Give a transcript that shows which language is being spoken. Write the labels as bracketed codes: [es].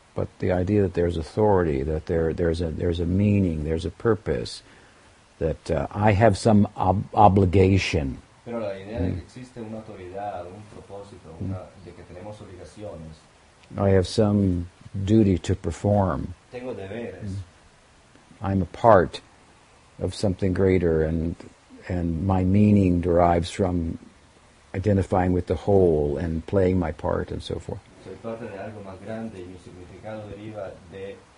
[en] But the idea that there's authority, that there's a meaning, there's a purpose, that I have some obligation. [es] Pero la idea de que existe una autoridad, un propósito, de que tenemos obligaciones. [en] I have some duty to perform. [es] Tengo deberes. Mm. [en] I'm a part of something greater, and my meaning derives from identifying with the whole and playing my part and so forth. [es] Soy parte de algo más grande y mi significado deriva de